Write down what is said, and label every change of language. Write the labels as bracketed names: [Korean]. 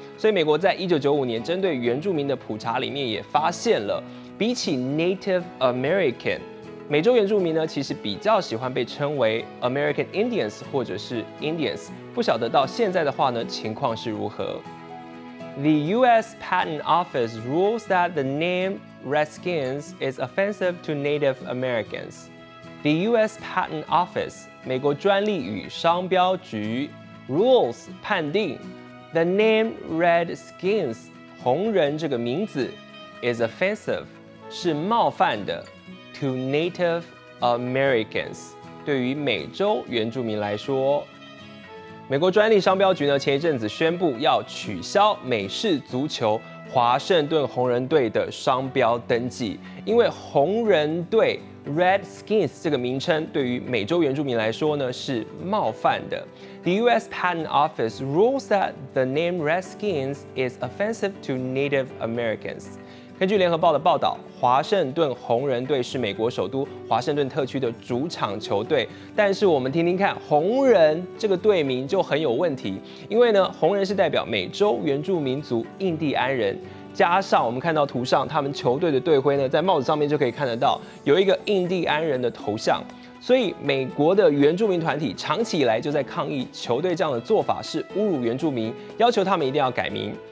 [Chinese] 所以美国在1995年针对原住民的普查里面也发现了，比起 Native American， 美洲原住民呢其实比较喜欢被称为 American Indians 或者是 Indians。不晓得到现在的话呢，情况是如何？ [English] The U.S. Patent Office rules that the name Redskins is offensive to Native Americans. The U.S. Patent Office, [Chinese] 美国专利与商标局 [English] rules [Chinese] 判定 [English] the name Redskins [Chinese] 红人这个名字 [English] is offensive [Chinese] 是冒犯的 [English] to Native Americans [Chinese] 对于美洲原住民来说。美国专利商标局呢，前一阵子宣布要取消美式足球华盛顿红人队的商标登记，因为红人队 Redskins 这个名称对于美洲原住民来说呢是冒犯的。 [English] The U.S. Patent Office rules that the name Redskins is offensive to Native Americans。 [Chinese] 根据联合报的报道，华盛顿红人队是美国首都华盛顿特区的主场球队，但是我们听听看，红人这个队名就很有问题，因为呢，红人是代表美洲原住民族印第安人，加上我们看到图上他们球队的队徽呢，在帽子上面就可以看得到有一个印第安人的头像，所以美国的原住民团体长期以来就在抗议球队这样的做法是侮辱原住民，要求他们一定要改名。